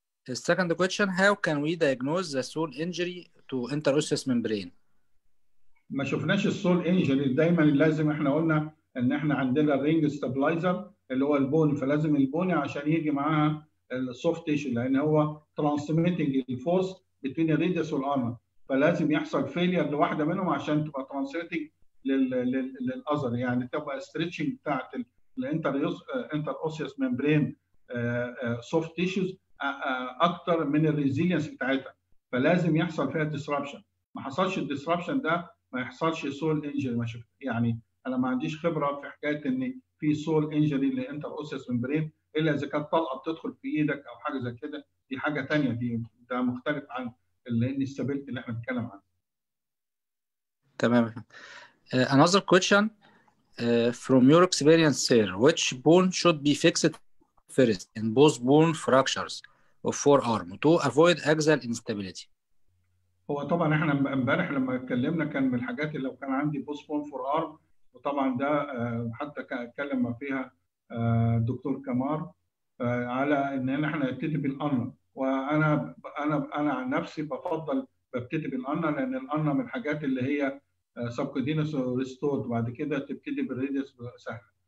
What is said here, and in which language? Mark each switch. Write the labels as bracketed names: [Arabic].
[English] Second question, how can we diagnose the sole injury to interosseous membrane? [Arabic] ما شفناش السول انجري، دايما لازم احنا قلنا ان احنا عندنا الرينج ستابلايزر اللي هو البوني، فلازم البوني عشان يجي معاها السوفت تيشن، لان هو ترانسميتنج الفورس بين الريدس والارم، فلازم يحصل فيلير لواحده منهم عشان تبقى ترانسميتنج للاذر، يعني تبقى ستريتشنج بتاعت الانتر اوسيوس ميمبرين سوفت تيشوز اكتر من الريزيلينس بتاعتها، فلازم يحصل فيها ديسربشن. ما حصلش الديسربشن ده ما يحصلش سول انجري، ما شفت يعني، انا ما عنديش خبره في حكايه ان في سول انجري للانتر اوسيوس ميمبرين الا اذا كانت طلقه بتدخل في ايدك او حاجه زي كده، دي حاجه ثانيه، دي ده مختلف عن الاستابيلتي اللي احنا بنتكلم عنها. تمام. [English] Another question from your experience, sir, which bone should be fixed first in both bone fractures of forearm to avoid axial instability? [Arabic] هو طبعا احنا امبارح لما اتكلمنا كان من الحاجات اللي لو كان عندي بوست بون فور ارم، وطبعا ده حتى اتكلم فيها دكتور كمار على ان احنا نبتدي بالانر، وانا عن نفسي بفضل ببتدي بالانر، لان الانر من الحاجات اللي هي سبكوتينوس ريستورد، وبعد كده تبتدي بالريديوس سهله.